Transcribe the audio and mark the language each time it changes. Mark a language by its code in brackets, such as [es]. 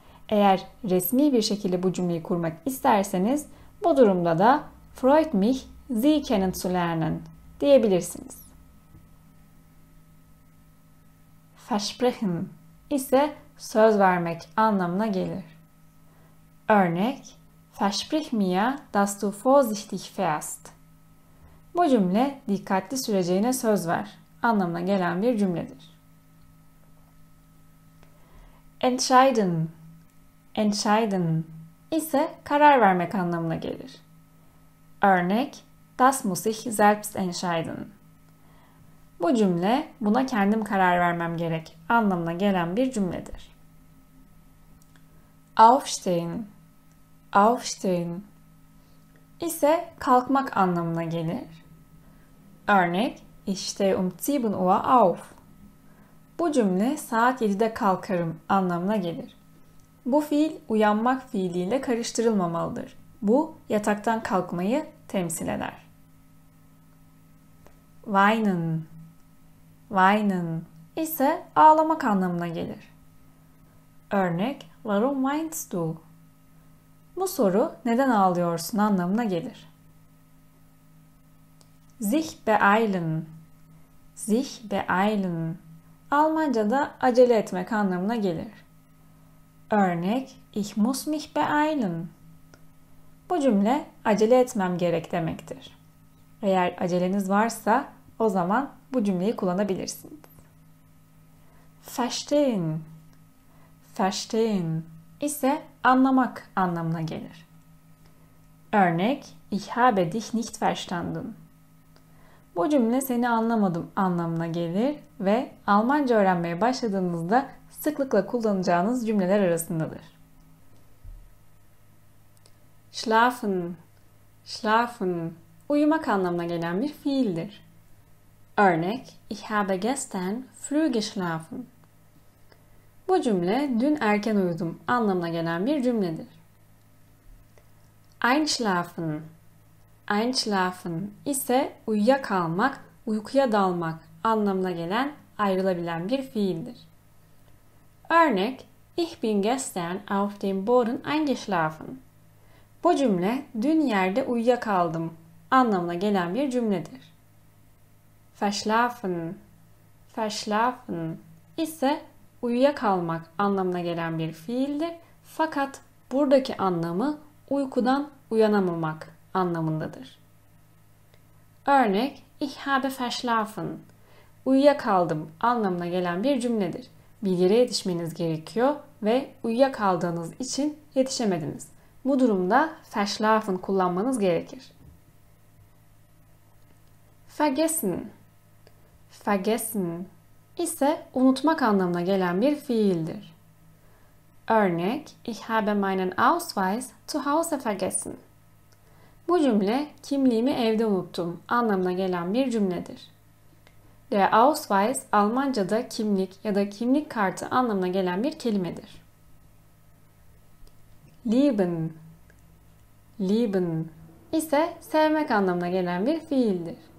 [tr] Eğer resmi bir şekilde bu cümleyi kurmak isterseniz bu durumda da [de] Freut mich, sie kennenzulernen [tr] diyebilirsiniz. Versprechen ise söz vermek anlamına gelir. [de] Örnek: Versprich mir, dass du vorsichtig fährst. [tr] Bu cümle dikkatli süreceğine söz ver anlamına gelen bir cümledir. Entscheiden. Entscheiden ise karar vermek anlamına gelir. [de] Örnek: Das muss ich selbst entscheiden. [tr] Bu cümle buna kendim karar vermem gerek anlamına gelen bir cümledir. Aufstehen. Aufstehen ise kalkmak anlamına gelir. [de] Örnek: Ich stehe um 7 Uhr auf. [tr] Bu cümle saat 7'de kalkarım anlamına gelir. Bu fiil uyanmak fiiliyle karıştırılmamalıdır. Bu yataktan kalkmayı temsil eder. Weinen. Weinen ise ağlamak anlamına gelir. Örnek: [de] Warum weinst du? [tr] Bu soru neden ağlıyorsun anlamına gelir. [de] Sich beeilen. Sich beeilen. [tr] Almanca'da acele etmek anlamına gelir. [de] Örnek: Ich muss mich beeilen. [tr] Bu cümle acele etmem gerek demektir. Eğer aceleniz varsa o zaman bu cümleyi kullanabilirsiniz. Verstehen. Verstehen ise anlamak anlamına gelir. [de] Örnek: Ich habe dich nicht verstanden. [tr] Bu cümle seni anlamadım anlamına gelir ve Almanca öğrenmeye başladığınızda sıklıkla kullanacağınız cümleler arasındadır. Schlafen. Schlafen uyumak anlamına gelen bir fiildir. [de] Örnek: Ich habe gestern früh geschlafen. [tr] Bu cümle dün erken uyudum anlamına gelen bir cümledir. Einschlafen. Einschlafen ise uyuyakalmak, uykuya dalmak anlamına gelen ayrılabilen bir fiildir. [de] Örnek: Ich bin gestern auf dem Boden eingeschlafen. [tr] Bu cümle dün yerde uyuyakaldım anlamına gelen bir cümledir. Verschlafen. Verschlafen ise uyuyakalmak anlamına gelen bir fiildir. Fakat buradaki anlamı uykudan uyanamamak anlamındadır. [de] Örnek: Ich habe verschlafen. [tr] Uyuyakaldım anlamına gelen bir cümledir. Bir yere yetişmeniz gerekiyor ve uyuyakaldığınız için yetişemediniz. Bu durumda verschlafen kullanmanız gerekir. Vergessen. Vergessen ise unutmak anlamına gelen bir fiildir. [de] Örnek: Ich habe meinen Ausweis zu Hause vergessen. [tr] Bu cümle kimliğimi evde unuttum anlamına gelen bir cümledir. Der Ausweis Almanca'da kimlik ya da kimlik kartı anlamına gelen bir kelimedir. Lieben. Lieben ise sevmek anlamına gelen bir fiildir.